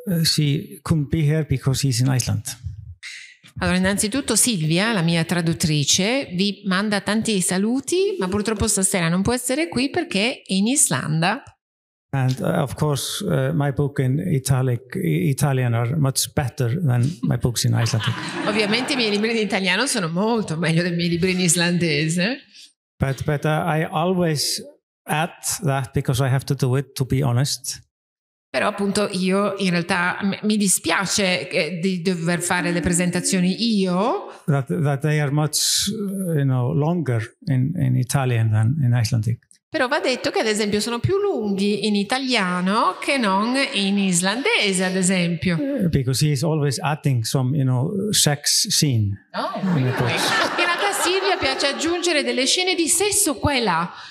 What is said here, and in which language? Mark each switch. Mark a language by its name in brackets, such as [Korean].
[English] She couldn't be here because she's in Iceland. [Italian] Allora, innanzitutto Silvia, la mia traduttrice, vi manda tanti saluti, ma purtroppo stasera non può essere qui perché è in Islanda. [English] And of course, my book in Italian are much better than my books in Icelandic. [Italian] Ovviamente i miei libri in italiano sono molto meglio dei miei libri in islandese. [English] But I always add that because I have to do it, to be honest. [Italian] Però appunto io in realtà mi dispiace di dover fare le presentazioni io. [English] That they are much, you know, longer in Italian than in Icelandic. [Italian] Però va detto che ad esempio sono più lunghi in italiano che non in islandese, ad esempio. [English] Because he is always adding some, you know, sex scene. Oh, in really? [Italian] Silvia piace aggiungere delle scene di sesso qua e là.